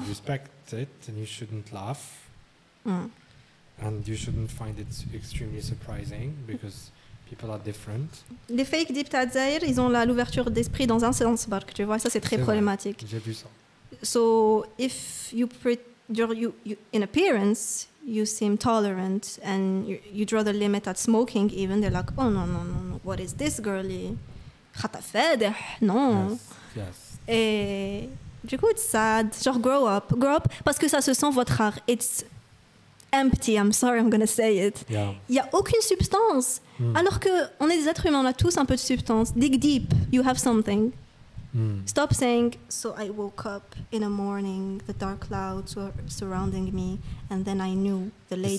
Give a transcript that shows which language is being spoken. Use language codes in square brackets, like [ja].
[en] You should respect it, and you shouldn't laugh. And you shouldn't find it extremely surprising, because people are different. [fr] Les fake deep tazair, ils ont l'ouverture d'esprit dans un sens, Bark, tu vois, ça c'est très c'est problématique. Vrai. J'ai vu ça. [en] So if you in appearance you seem tolerant and you draw the limit at smoking, even they're like, oh no, what is this girlie? Khatafedeh, no. Yes. [fr] Et du coup, [en] it's sad. [fr] Genre, [en] grow up, [fr] parce que ça se sent votre art. [en] It's empty. I'm sorry, I'm gonna say it. Yeah. [fr] Il y a aucune substance. Alors que on est des êtres humains, on a tous un peu de substance. [en] Dig deep, you have something. Stop saying, so I woke up in the morning, the dark clouds were surrounding me, and then I knew the lady.